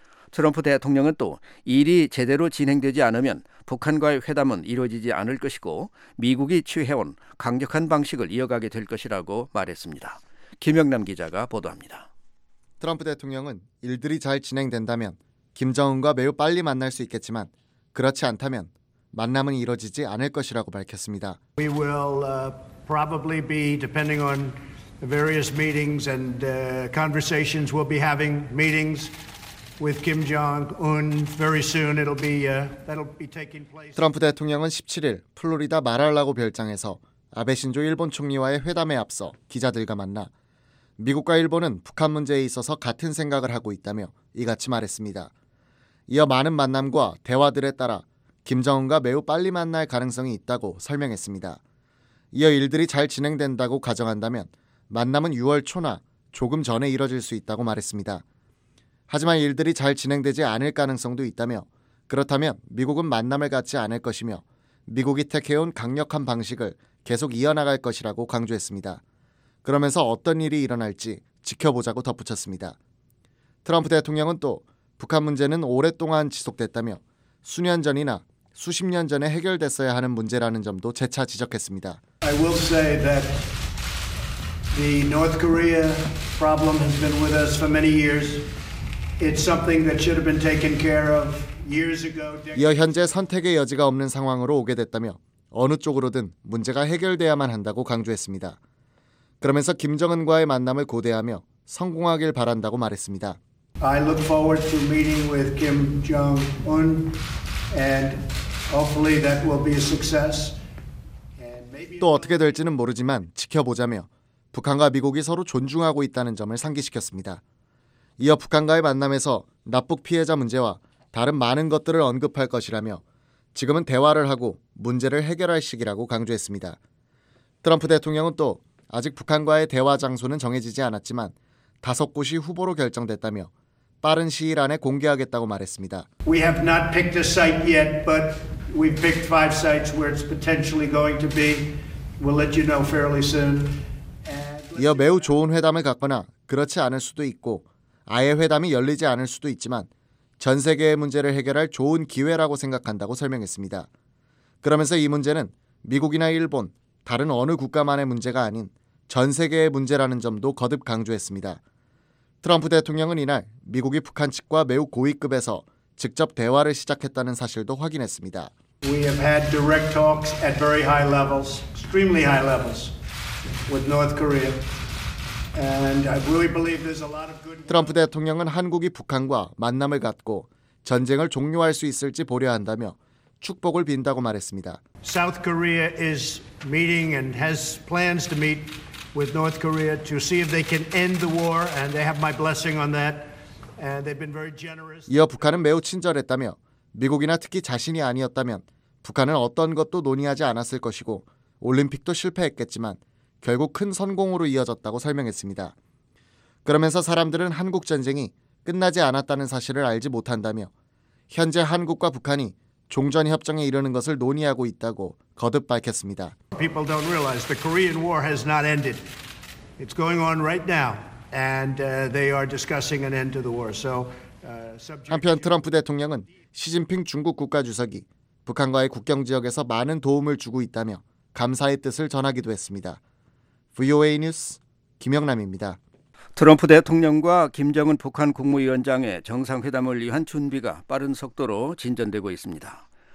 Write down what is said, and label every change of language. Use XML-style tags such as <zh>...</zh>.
<ko>트럼프 대통령은 또 일이 제대로 진행되지 않으면 북한과의 회담은 이루어지지 않을 것이고 미국이 취해온 강력한 방식을 이어가게 될 것이라고 말했습니다. 김영남 기자가 보도합니다. 트럼프 대통령은 일들이 잘 진행된다면 김정은과 매우 빨리 만날 수 있겠지만 그렇지 않다면 만남은 이루어지지 않을 것이라고 밝혔습니다.</ko> <en>We will probably be depending on various meetings and conversations. We'll be having meetings with Kim Jong-un very soon. That'll be taking place.</en> <ko>트럼프 대통령은 17일 플로리다 마랄라고 별장에서 아베 신조 일본 총리와의 회담에 앞서 기자들과 만나 미국과 일본은 북한 문제에 있어서 같은 생각을 하고 있다며 이같이 말했습니다. 이어 많은 만남과 대화들에 따라 김정은과 매우 빨리 만날 가능성이 있다고 설명했습니다. 이어 일들이 잘 진행된다고 가정한다면 만남은 6월 초나 조금 전에 이뤄질 수 있다고 말했습니다. 하지만 일들이 잘 진행되지 않을 가능성도 있다며 그렇다면 미국은 만남을 갖지 않을 것이며 미국이 택해온 강력한 방식을 계속 이어나갈 것이라고 강조했습니다. 그러면서 어떤 일이 일어날지 지켜보자고 덧붙였습니다. 트럼프 대통령은 또 북한 문제는 오랫동안 지속됐다며 수년 전이나 수십 년 전에 해결됐어야 하는 문제라는 점도 재차 지적했습니다.</ko> <en>I will say that the North Korea problem has been with us for many years. It's something that should have been taken care of years ago.</en> <ko>이어 현재 선택의 여지가 없는 상황으로 오게 됐다며 어느 쪽으로든 문제가 해결돼야만 한다고 강조했습니다. 그러면서 김정은과의 만남을 고대하며 성공하길 바란다고 말했습니다.</ko> <en>I look forward to meeting with Kim Jong-un and hopefully that will be a success.</en> <ko>또 어떻게 될지는 모르지만 지켜보자며 북한과 미국이 서로 존중하고 있다는 점을 상기시켰습니다. 이어 북한과의 만남에서 납북 피해자 문제와 다른 많은 것들을 언급할 것이라며 지금은 대화를 하고 문제를 해결할 시기라고 강조했습니다. 트럼프 대통령은 또 아직 북한과의 대화 장소는 정해지지 않았지만 다섯 곳이 후보로 결정됐다며 빠른 시일 안에 공개하겠다고 말했습니다.</ko> <en>We have not picked a site yet, but we've picked five sites where it's potentially going to be. We'll let you know fairly soon.</en> <ko>이어 매우 좋은 회담을 갖거나 그렇지 않을 수도 있고 아예 회담이 열리지 않을 수도 있지만 전 세계의 문제를 해결할 좋은 기회라고 생각한다고 설명했습니다. 그러면서 이 문제는 미국이나 일본, 다른 어느 국가만의 문제가 아닌 전 세계의 문제라는 점도 거듭 강조했습니다. 트럼프 대통령은 이날 미국이 북한 측과 매우 고위급에서 직접 대화를 시작했다는 사실도 확인했습니다.</ko> <en>We have had direct talks at very high levels, extremely high levels with North Korea. And I really believe there's a lot of good.</en> <ko>트럼프 대통령은 한국이 북한과 만남을 갖고 전쟁을 종료할 수 있을지 보려 한다며 축복을 빈다고 말했습니다.</ko> <en>South Korea is meeting and has plans to meet with North Korea to see if they can end the war and they have my blessing on that. And they've been very generous.</en> <ko>이어 북한은 매우 친절했다며 미국이나 특히 자신이 아니었다면 북한은 어떤 것도 논의하지 않았을 것이고 올림픽도 실패했겠지만 결국 큰 성공으로 이어졌다고 설명했습니다. 그러면서 사람들은 한국 전쟁이 끝나지 않았다는 사실을 알지 못한다며 현재 한국과 북한이 종전 협정에 이르는 것을 논의하고 있다고 거듭 밝혔습니다.</ko> <en>People don't realize the Korean War has not ended. It's going on right now, and they are discussing an end to the war. So,</en> <ko>한편 트럼프 대통령은 시진핑 중국 국가주석이 북한과의 국경 지역에서 많은 도움을 주고 있다며 감사의 뜻을 전하기도 했습니다. VOA 뉴스 김영남입니다. 트럼프 대통령과 김정은 북한 국무위원장의 정상회담을 위한 준비가 빠른 속도로 진전되고 있습니다.</ko>